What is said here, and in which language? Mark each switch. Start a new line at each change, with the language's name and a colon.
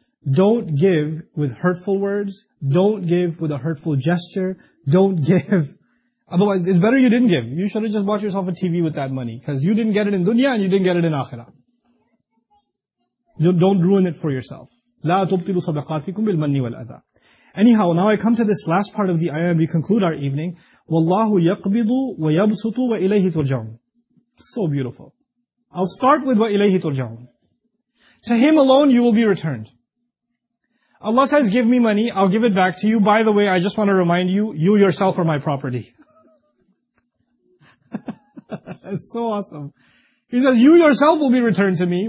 English: Don't give with hurtful words. Don't give with a hurtful gesture. Don't give. Otherwise, it's better you didn't give. You should have just bought yourself a TV with that money. Because you didn't get it in dunya and you didn't get it in akhirah. Don't ruin it for yourself.
Arabic: لَا تُبْطِلُوا صَدَقَاتِكُمْ بِالْمَنِّ وَالْأَذَى.
English: Anyhow, now I come to this last part of the ayah and we conclude our evening.
Arabic: وَاللَّهُ يَقْبِضُ وَيَبْسُطُ وَإِلَيْهِ تُرْجَعُونَ.
English: So beautiful. I'll start with
Arabic: وَإِلَيْهِ تُرْجَعُونَ.
English: To him alone you will be returned. Allah says, give me money, I'll give it back to you. By the way, I just want to remind you, you yourself are my property. That's so awesome. He says, you yourself will be returned to me.